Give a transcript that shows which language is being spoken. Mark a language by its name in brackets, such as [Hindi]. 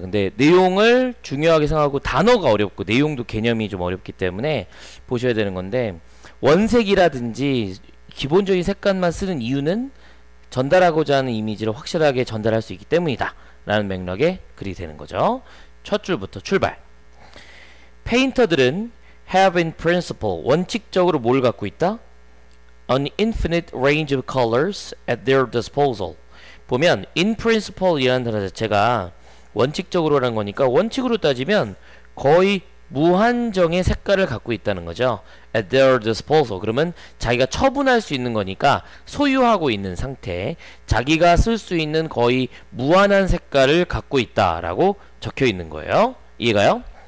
[Korean] 근데 내용을 중요하게 생각하고 단어가 어렵고 내용도 개념이 좀 어렵기 때문에 보셔야 되는 건데, 원색이라든지 기본적인 색감만 쓰는 이유는 전달하고자 하는 이미지를 확실하게 전달할 수 있기 때문이다라는 맥락의 글이 되는 거죠. 첫 줄부터 출발. Painters들은 [English] have in principle [Korean] 원칙적으로 뭘 갖고 있다? [English] An infinite range of colors at their disposal. [Korean] 보면 in principle 이라는 단어 자체가 원칙적으로라는 거니까 원칙으로 따지면 거의 무한정의 색깔을 갖고 있다는 거죠. [English] At their disposal. [Korean] 그러면 자기가 처분할 수 있는 거니까 소유하고 있는 상태. 자기가 쓸수 있는 거의 무한한 색깔을 갖고 있다라고 적혀 있는 거예요. 이해가요?